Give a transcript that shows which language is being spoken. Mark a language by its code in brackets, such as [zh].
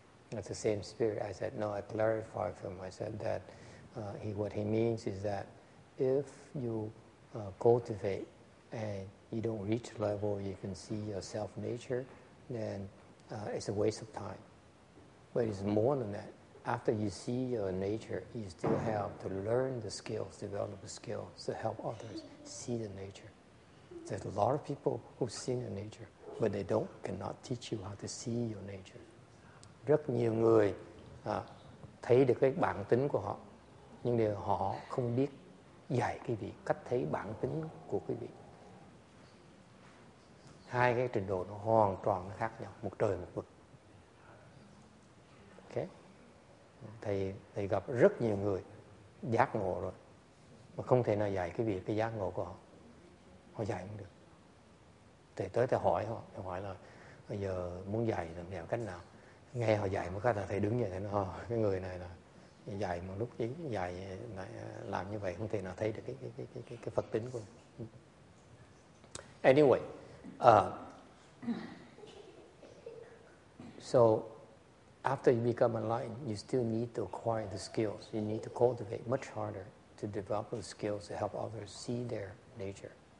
[en] That's the same spirit. I said, no, I clarified for him. I said that what he means is that if you cultivate and you don't reach level, you can see your self nature, then it's a waste of time. But it's more than that. After you see your nature, you still have to learn the skills, develop the skills to help others see the nature. There's a lot of people who've seen your nature, but they cannot teach you how to see your nature. [vi] Rất nhiều người thấy được cái bản tính của họ, nhưng điều họ không biết dạy quý vị cách thấy bản tính của quý vị. Hai cái trình độ nó hoàn toàn khác nhau, một trời một vực. Ok. Thầy gặp rất nhiều người giác ngộ rồi mà không thể nào dạy quý vị cái giác ngộ của họ. Họ dạy không được. Thầy tới thầy hỏi họ, thầy hỏi là bây giờ muốn dạy làm theo cách nào. Nghe họ dạy một cách là thầy đứng vậy, thầy nói cái người này là dài một lúc ý, dài lại làm như vậy không thể nào thấy được cái Phật tính của mình. [en] Anyway, so after you become enlightened, you still need to acquire the skills. You need to cultivate much harder to develop the skills to help others see their nature.